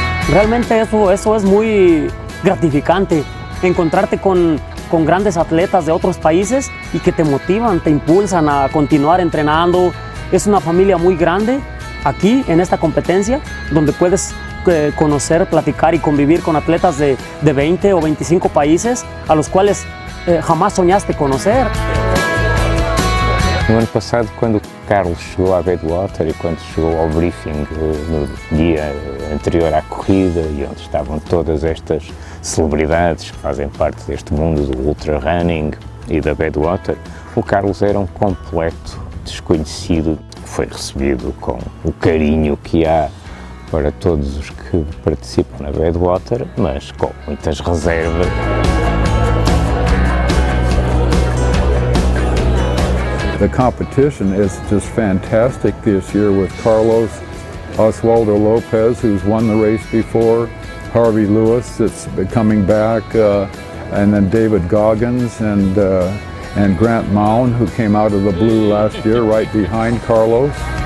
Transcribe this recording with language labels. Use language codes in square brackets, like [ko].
[es] Realmente eso es muy gratificante, encontrarte con grandes atletas de otros países y que te motivan, te impulsan a continuar entrenando. Es una familia muy grande aquí en esta competencia, donde puedes conocer, platicar y convivir con atletas de 20 o 25 países a los cuales jamás soñaste conocer. [pt] No ano passado, quando o Carlos chegou à Badwater e quando chegou ao briefing no dia anterior à corrida e onde estavam todas estas celebridades que fazem parte deste mundo do ultra running e da Badwater, o Carlos era um completo desconhecido. Foi recebido com o carinho que há para todos os que participam na Badwater, mas com muitas reservas. [en] The competition is just fantastic this year with Carlos, Oswaldo Lopez, who's won the race before, Harvey Lewis that's coming back, and then David Goggins and Grant Mound, who came out of the blue last year right behind Carlos.